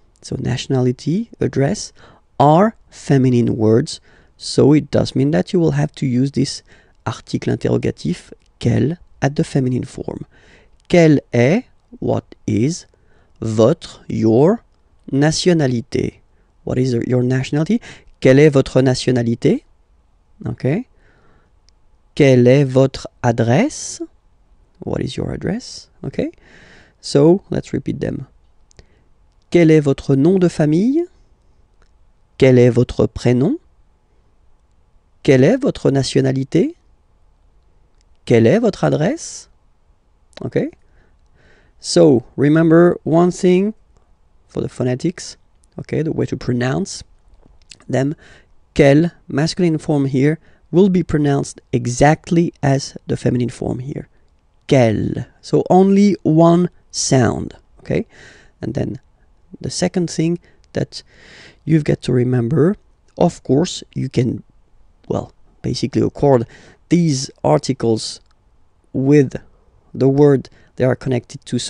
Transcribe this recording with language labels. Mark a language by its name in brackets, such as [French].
[English] So nationality, address, are feminine words. So it does mean that you will have to use this article interrogatif, quel, at the feminine form. [French] Quel est, [English] what is, [French] votre, your, nationalité? [English] What is your nationality? [French] Quelle est votre nationalité? Okay. Quelle est votre adresse? [English] What is your address? Okay. So, let's repeat them. [French] Quel est votre nom de famille? Quel est votre prénom? Quelle est votre nationalité? Quelle est votre adresse? [English] Okay. So, remember one thing for the phonetics. Okay, the way to pronounce them. Quel, masculine form here, will be pronounced exactly as the feminine form here. Quel. So, only one sound. Okay. And then the second thing that you've got to remember, of course, you can, well, basically accord these articles with the word they are connected to.